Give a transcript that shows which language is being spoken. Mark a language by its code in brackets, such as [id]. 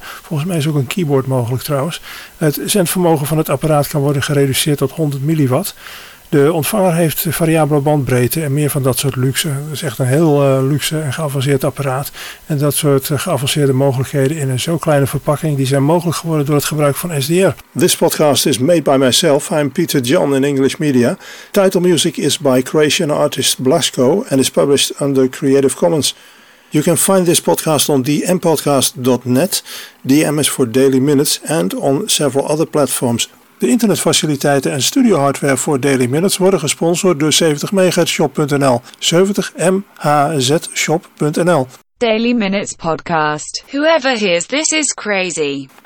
[nl] Volgens mij is ook een keyboard mogelijk trouwens. Het zendvermogen van het apparaat kan worden gereduceerd tot 100 milliwatt. De ontvanger heeft variabele bandbreedte en meer van dat soort luxe. Dat is echt een heel luxe en geavanceerd apparaat. En dat soort geavanceerde mogelijkheden in een zo kleine verpakking die zijn mogelijk geworden door het gebruik van SDR. [en] This podcast is made by myself. I'm Peter John in English Media. Title music is by Croatian artist Blasco and is published under Creative Commons. You can find this podcast on dmpodcast.net. DM is for Daily Minutes and on several other platforms. [nl] De internetfaciliteiten en studiohardware voor Daily Minutes worden gesponsord door 70MHzShop.nl. 70MHzShop.nl. [en] Daily Minutes Podcast. Whoever hears this is crazy.